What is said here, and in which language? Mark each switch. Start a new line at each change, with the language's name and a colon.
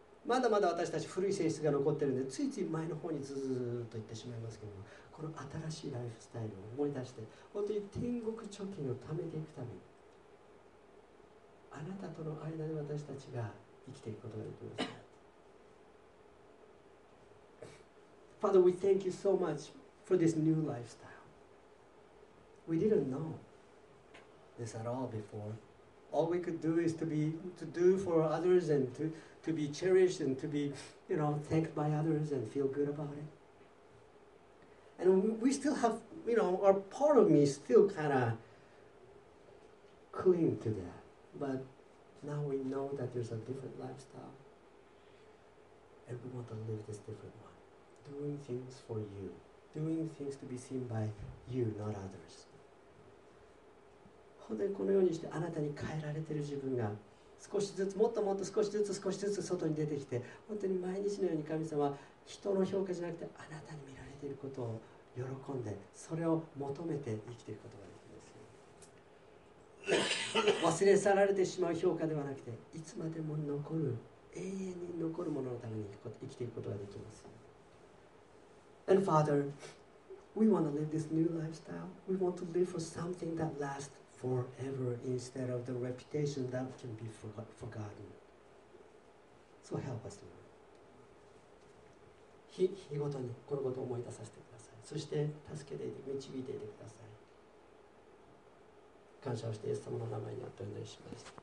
Japanese: まだまだ私たち古い性質が残っているので、ついつい前の方にずーっと行ってしまいますけれども、この新しいライフスタイルを思い出して、本当に天国貯金を貯めていくために、あなたとの間で私たちが生きていくことができます。
English: Father, we thank you so much for this new lifestyle. We didn't know this at all before. All we could do is to do for others and to be cherished and to be, you know, thanked by others and feel good about it. And we still have, you know, our part of me still kind of cling to that. But Now we know that there's a different lifestyle. And we want to live this different one. Doing things for you. Doing things to be seen by you, not others.
Japanese: このようにしてあなたに変えられている自分が少しずつもっともっと少しずつ少しずつ外に出てきて本当に毎日のように神様は人の評価じゃなくてあなたに見られていることを喜んでそれを求めて生きていくことができるんですよ忘れ去られてしまう評価ではなくていつまでも残る永遠に残るもののために生きていくことができます
English: And Father we want to live this new lifestyle we want to live for something that lastsForever, instead of the reputation that can be forgotten. So help us, Lord.
Japanese: 日々ごとにこのことを思い出させてください。そして助けていて導いていてください。感謝をしてイエス様の名前にお祈りします。